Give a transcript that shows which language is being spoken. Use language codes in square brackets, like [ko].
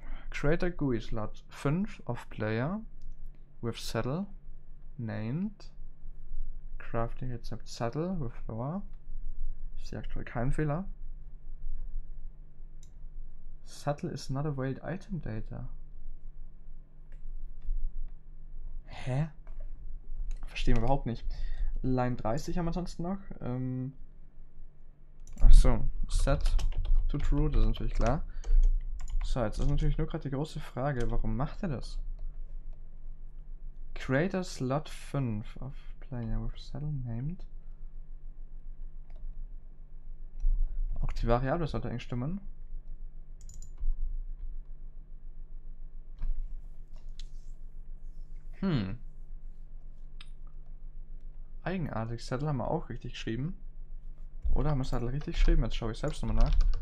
[en] Create a GUI slot 5 of player with saddle named crafting except saddle with floor. [de] Ich sehe aktuell keinen Fehler. [en] Saddle is not a valid item data. [de] Hä? Verstehen wir überhaupt nicht. Line 30 haben wir sonst noch. Achso, set to true, das ist natürlich klar. So, jetzt ist natürlich nur gerade die große Frage, warum macht er das? [en] Create a slot 5 of player with saddle named. [de] Auch die Variable sollte eigentlich stimmen. Eigenartig, Saddle haben wir auch richtig geschrieben. Oder haben wir Saddle richtig geschrieben? Jetzt schaue ich selbst nochmal nach.